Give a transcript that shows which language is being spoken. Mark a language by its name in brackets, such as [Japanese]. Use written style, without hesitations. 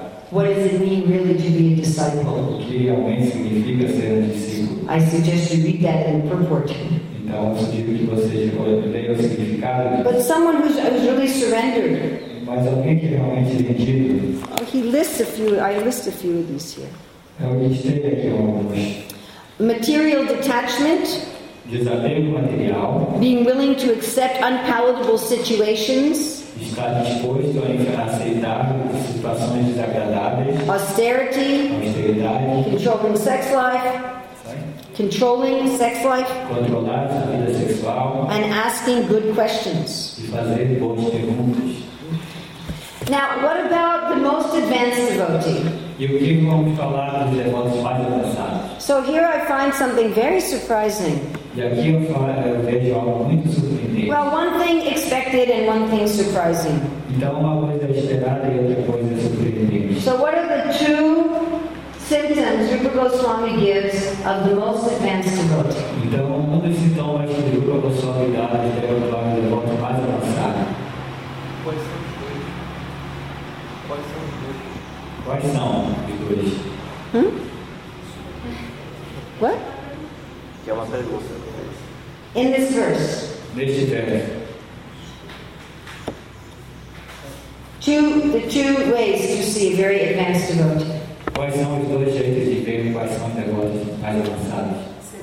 [English] What does it mean really to be a disciple? [Portuguese] O que realmente significa ser um discípulo? [English] I suggest you read that in purport. [Portuguese] Então, eu sugiro que você leia o significado. [English] But someone who's really surrendered. [Portuguese] Mas alguém que realmente rendido. [English] Oh, I list a few of these here. [Portuguese] Eu listei aqui alguns. [English] Material detachment. [Portuguese] Desapego material. [English] Being willing to accept unpalatable situations. [Portuguese] Estar disposto a aceitar situações desagradáveis. [English] Austerity. [Portuguese] Austeridade. [English] Controlling sex life. Sorry? Controlling sex life. [Portuguese] Controlar a vida sexual. [English] And asking good questions. [Portuguese] E fazer boas perguntas. [English] Now, what about the most advanced devotee? [Portuguese] E o que vamos falar dos devotos mais avançados? [English] So here I find something very surprising. [Portuguese] E aqui eu vejo algo muito surpreendente. [English] Well, one thing expected and one thing surprising. [Portuguese] Então, uma coisa esperada e outra coisa surpreendente. [English] So what are the two symptoms Rupa Goswami gives of the most advanced devotee? [Portuguese] Então, um dos sintomas que Rupa Goswami dá é o devoto mais avançado. Quais são os dois? Quais são os dois? Hum? [English] What? [Portuguese] Que é uma pergunta. [English] In this verse. [Portuguese] Neste verso. [English] The two ways to see a very advanced devotee. [Portuguese] Quais são os dois jeitos de ver quais são os devotos mais avançados?